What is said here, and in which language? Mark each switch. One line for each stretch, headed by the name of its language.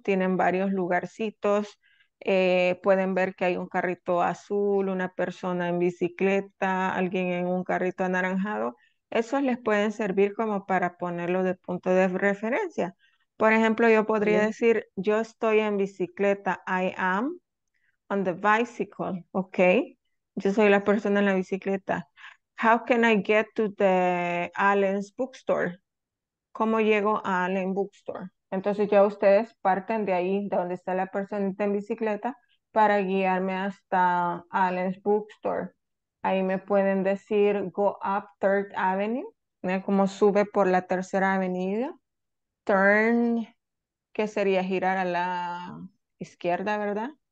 Spanish: Tienen varios lugarcitos. Pueden ver que hay un carrito azul, una persona en bicicleta, alguien en un carrito anaranjado. Esos les pueden servir como para ponerlo de punto de referencia. Por ejemplo, yo podría Bien. decir, yo estoy en bicicleta.
English: I am on the bicycle.
Spanish: Ok, yo soy la persona en la bicicleta.
English: How can I get to the Allen's Bookstore?
Spanish: ¿Cómo llego a Allen Bookstore? Entonces ya ustedes parten de ahí, de donde está la persona en bicicleta, para guiarme hasta Allen's Bookstore. Ahí me pueden decir,
English: go up Third Avenue,
Spanish: ¿no? Como sube por la tercera avenida. Turn, que sería girar a la izquierda, ¿verdad?